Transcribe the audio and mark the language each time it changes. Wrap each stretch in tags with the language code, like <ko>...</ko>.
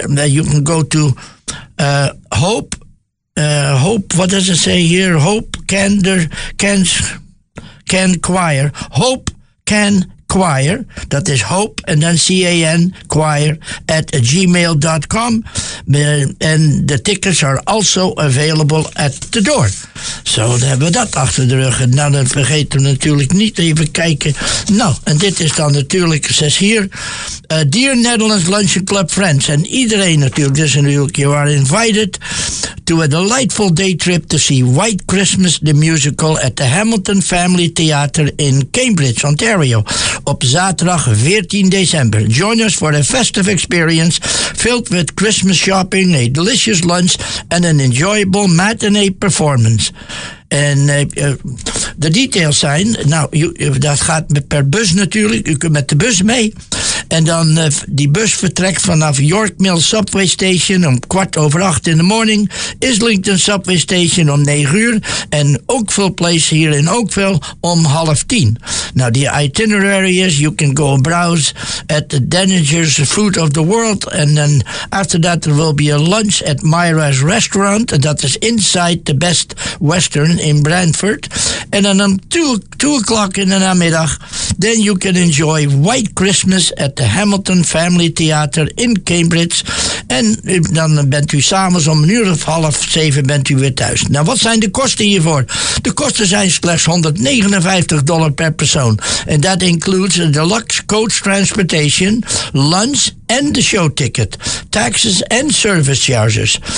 <en>You can go to Hope, what does it say here? Hope Can Choir. Hope Can Choir.</en> <nl>Dat is Hope en dan C-A-N Choir at gmail.com. En de</nl> <en>tickets are also available at the door.</en> <nl>Zo, dan hebben we dat achter de rug. En nou, dan vergeten we natuurlijk niet even kijken. Nou, en dit is dan natuurlijk, zes hier.</nl> <en>Dear Netherlands Lunch and Club Friends.</en> <nl>En iedereen natuurlijk, dus natuurlijk,</nl> <en>you are invited to a delightful day trip to see White Christmas the Musical at the Hamilton Family Theater in Cambridge, Ontario.</en> <nl>Op zaterdag 14 december.</nl> <en>Join us for a festive experience filled with Christmas shopping, a delicious lunch, and an enjoyable matinee performance.</en> <nl>En de details zijn, nou, dat gaat per bus natuurlijk. U kunt met de bus mee. En dan die bus vertrekt vanaf York Mill Subway Station om 7:45 in de morning. Islington Subway Station om 9:00. En Oakville Place hier in Oakville om 9:30. Nou, die</nl> <en>itinerary is, you can go browse at the Denninger's Food of the World. And then after that there will be a lunch at Myra's Restaurant. That is inside the Best Western in Brantford.</en> <nl>En dan om 2:00 in de namiddag</nl> <en>then you can enjoy White Christmas at the Hamilton Family Theater in Cambridge.</en> <nl>En dan bent u s'avonds om een uur of half zeven bent u weer thuis. Nou, wat zijn de kosten hiervoor? De kosten zijn slechts $159 per persoon. En dat</nl> <en>includes a deluxe coach transportation, lunch</en> <nl>en de showticket,</nl> <en>taxes en service charges.</en>